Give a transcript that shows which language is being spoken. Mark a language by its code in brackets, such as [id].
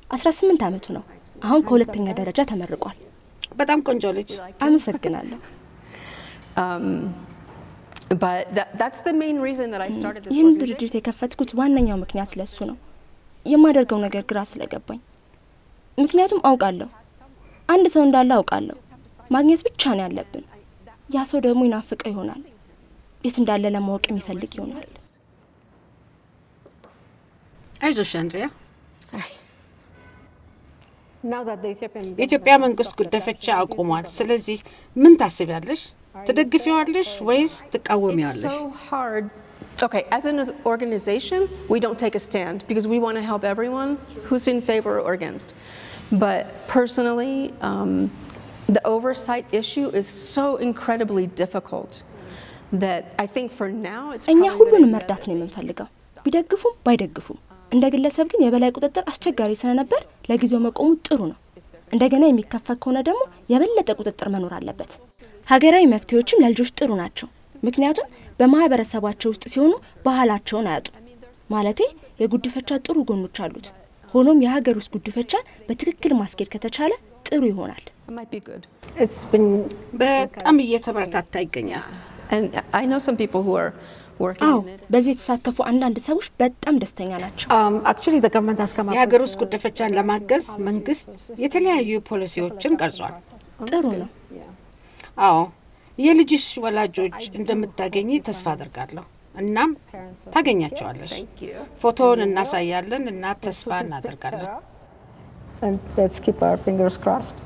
[am] 18 አመቱ ነው። አሁን ከሁለተኛ ደረጃ ተመርቋል። በጣም ቆንጆ ልጅ። አመሰግናለሁ። [en] But that's the main reason that I started this project. [am] የምትደርጂ ከፈትኩት ዋንኛው ምክንያት ለሱ ነው። የማደርገው ነገር ግራ ስለገባኝ። ምክንያቱም አውቃለሁ። አንድ ሰው እንዳለ አውቃለሁ። ማግኔት ብቻ ነው ያለብን። ያ ሰው ደግሞ ይናፍቀ ይሆናል። የት እንዳለ ለማወቅ የሚፈልግ ይሆናል። አይዞሽ አንድሪያ። [en] Sorry. Now that the Ethiopian [am] ኢትዮጵያ መንግስት ጉድፈቻ አቁሟል። ስለዚህ ምን ታስቢያለሽ? ትደግፊዋለሽ ወይስ ትቃወሚያለሽ? [en] It's so hard. Okay, as an organization, we don't take a stand because we want to help everyone who's in favor or against. But personally, the oversight issue is so incredibly difficult that I think for now it's [am] እኛ ሁሉንም መርዳት ነው የምንፈልገው። ቢደግፉም ባይደግፉም እንደግለሰብ ግን የበላይ ቁጥጥር አስቸጋሪ ስለነበር ለጊዜው መቆሙ ጥሩ ነው። እንደገና የሚከፈከው ከሆነ ደግሞ የበለጠ ቁጥጥር መኖር አለበት። ሀገራዊ መፍትሄዎችም ለልጆች ጥሩ ናቸው። ምክንያቱም በማህበረሰባቸው ውስጥ ሲሆኑ ባህላቸውን አያጡ። ማለቴ የጉድፈቻ ጥሩ ጎኖች አሉት። ሆኖም የሀገር ውስጥ ጉድፈቻን በትክክል ማስኬድ ከተቻለ ጥሩ ይሆናል። [en] It's been [am] በጣም እየተበረታታ ይገኛል። [en] And I know some people who are working on it. [am] በዚህ የተሳተፉ አንዳንድ ሰዎች በጣም ደስተኛ ናቸው። [en] Actually the government has come up [am] የሀገር ውስጥ ጉድፈቻን ለማገዝ መንግስት የተለያዩ ፖሊሲዎችን ቀርጿል። ጥሩ ነው። አዎ የልጅሽ ወላጆች እንደምታገኚ ተስፋ አድርጋለሁ። እናም ታገኛቸዋለሽ። ፎቶውን እናሳያለን እና ተስፋ እናደርጋለን። [en] And let's keep our fingers crossed.